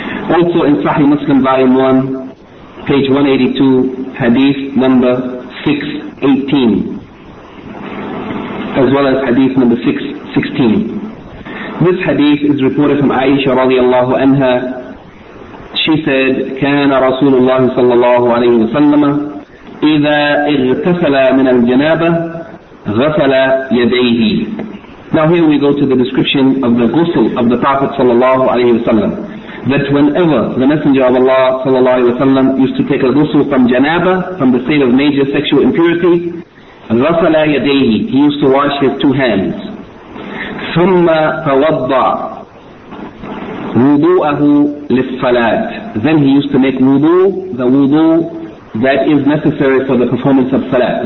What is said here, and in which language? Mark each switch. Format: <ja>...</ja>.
<en>Also in Sahih Muslim volume 1, page 182, hadith number 618. As well as hadith number 616. This hadith is reported from Aisha radiallahu anha. She said,</en> <ar>كَانَ رَسُولُ اللَّهِ صَلَّى اللَّهُ عَلَيْهِ وَسَلَّمَ إِذَا اِغْتَسَلَ مِنَ الْجَنَابَةِ غَسَلَ يَدَيْهِ.</ar> <en>Now here we go to the description of the ghusl of the Prophet sallallahu alayhi wa sallam. That whenever the Messenger of Allah sallallahu alayhi wa sallam used to take a ghusl from janaba, from the state of major sexual impurity,</en> <ar>غَسَلَ يَدَيْهِ,</ar> <en>he used to wash his two hands.</en> <ar>ثُمَّ تَوَضَّعَ وُضُوءَهُ لِلصَّلَاةِ,</ar> <en>then he used to make wudu, the wudu that is necessary for the performance of salat.</en>